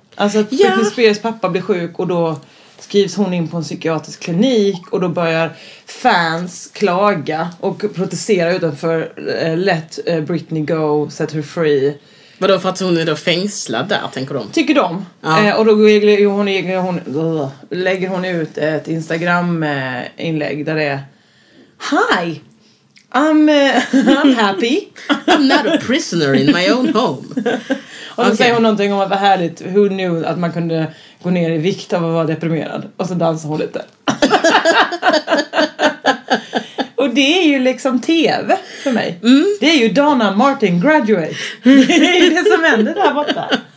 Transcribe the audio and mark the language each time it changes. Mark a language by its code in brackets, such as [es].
[sv] Alltså att Britney Spears pappa blir sjuk och då skrivs hon in på en psykiatrisk klinik och då börjar fans klaga och protestera utanför [en] Let Britney Go, Set Her Free. [sv] Vadå, för att hon är då fängslad där, tänker de? Tycker de. Ja. Och då lägger hon ut ett Instagram-inlägg där det är [en] Hi, I'm happy. I'm not a prisoner in my own home. [sv] Och då säger hon någonting om att vad härligt, [en] who knew [sv] att man kunde gå ner i vikt av att vara deprimerad. Och så dansar hon lite. Och det är ju liksom tv för mig. Mm. Det är ju Donna Martin graduate. Det är det som händer där borta.